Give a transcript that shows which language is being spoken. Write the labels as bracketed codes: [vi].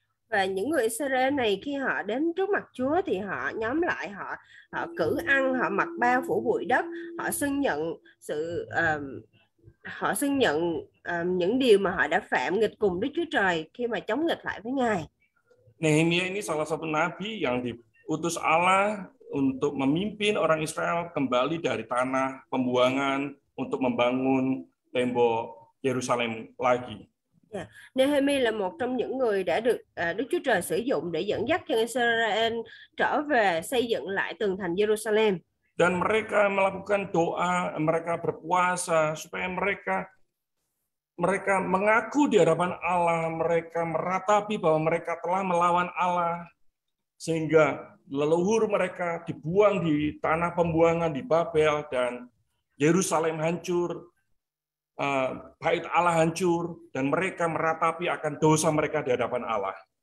[vi] Và những người Israel này khi họ đến trước mặt Chúa thì họ nhóm lại, họ cử ăn, họ mặc bao phủ bụi đất, họ xưng nhận sự những điều mà họ đã phạm nghịch cùng Đức Chúa Trời khi mà chống nghịch lại với Ngài. [id] Nehemia ini salah satu nabi yang diutus Allah untuk memimpin orang Israel kembali dari tanah pembuangan untuk membangun tembok Yerusalem lagi. [vi] Nehemi là một trong những người đã được Đức Chúa Trời sử dụng để dẫn dắt dân Israel trở về xây dựng lại tường thành Jerusalem. [id] Dan mereka melakukan doa, mereka berpuasa supaya mereka mengaku di hadapan Allah, mereka meratapi bahwa mereka telah melawan Allah sehingga leluhur mereka dibuang di tanah pembuangan di Babel dan Yerusalem hancur, bait Allah hancur dan mereka meratapi akan dosa mereka di hadapan Allah.